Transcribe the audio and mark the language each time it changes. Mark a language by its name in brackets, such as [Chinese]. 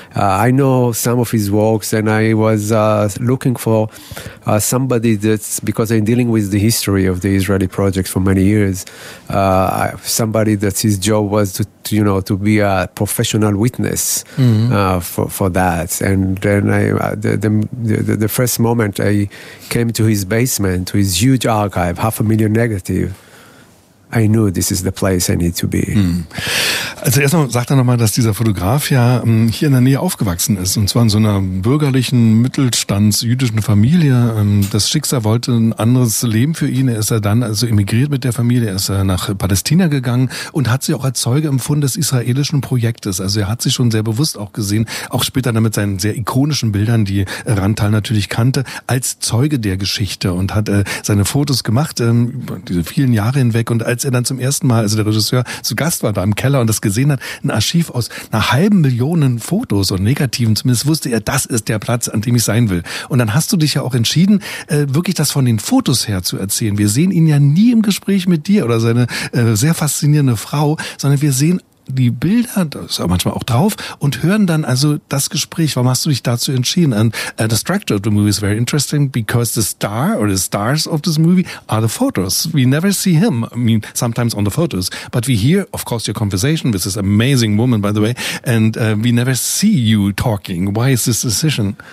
[English] I know some of his works, and I was looking for somebody that's, because I'm dealing with the history of the Israeli project for many years, somebody that his job was to be a professional witness. Mm-hmm. For that, and then the first moment I came to his basement, to his huge archive, 500,000 negative, I knew this is the place I need to be. Mm. [German] Also erstmal sagt er nochmal, dass dieser Fotograf ja hier in der Nähe aufgewachsen ist, und zwar in so einer bürgerlichen, mittelstandsjüdischen Familie. Das Schicksal wollte ein anderes Leben für ihn. Er ist dann also emigriert mit der Familie, er ist nach Palästina gegangen und hat sich auch als Zeuge empfunden des israelischen Projektes. Also er hat sich schon sehr bewusst auch gesehen, auch später dann mit seinen sehr ikonischen Bildern, die Rantal natürlich kannte, als Zeuge der Geschichte, und hat seine Fotos gemacht über diese vielen Jahre hinweg. Und als er dann zum ersten Mal, also der Regisseur, zu Gast war da im Keller und das gesehen hat, ein Archiv aus einer 500,000 Fotos und Negativen, zumindest wusste er, das ist der Platz, an dem ich sein will. Und dann hast du dich ja auch entschieden, wirklich das von den Fotos her zu erzählen. Wir sehen ihn ja nie im Gespräch mit dir oder seine sehr faszinierende Frau, sondern wir sehen die Bilder, da ist er manchmal auch drauf, und hören dann also das Gespräch. Warum hast du dich dazu entschieden? [English] And the structure of the movie is very interesting because the star or the stars of this movie are the photos. We never see him, I mean, sometimes on the photos, but we hear, of course, your conversation with this amazing woman, by the way, and we never see you talking. Why is this decision?